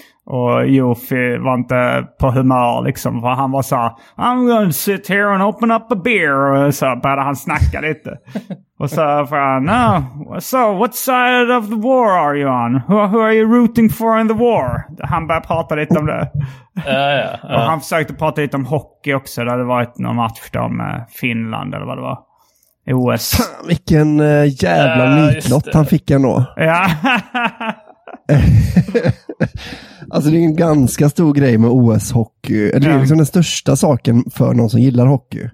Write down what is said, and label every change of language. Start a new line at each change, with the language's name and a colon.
Swedish: Och Jofi var inte på humör liksom, för han var så här,
English: "I'm gonna sit here and open up a beer."
Swedish: Och så började han snacka lite. Och så frågade han,
English: "No, so what side of the war are you on? Who are you rooting for in the war?"
Swedish: Han började prata lite om det. Och han försökte prata lite om hockey också. Det hade varit någon match då med Finland eller vad det var. I OS. Fan, vilken jävla nitlott han fick ändå. Ja. Alltså det är en ganska stor grej med OS-hockey. Det är liksom den största saken för någon som gillar hockey.